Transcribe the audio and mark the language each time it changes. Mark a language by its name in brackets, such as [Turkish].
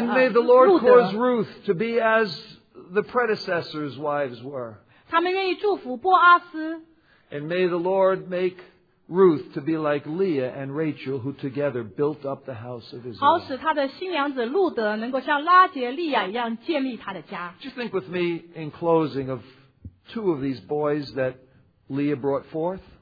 [English] and may the Lord cause Ruth to be as the predecessor's wives were. [Chinese] 他们愿意祝福波阿斯, [English] and may the Lord make Ruth to be like Leah and Rachel who together built up the house of Israel. [Chinese] 好使他的新娘子路德能够像拉结利亚一样建立他的家。 [English] Just think with me in closing of two of these boys that Leah brought forth.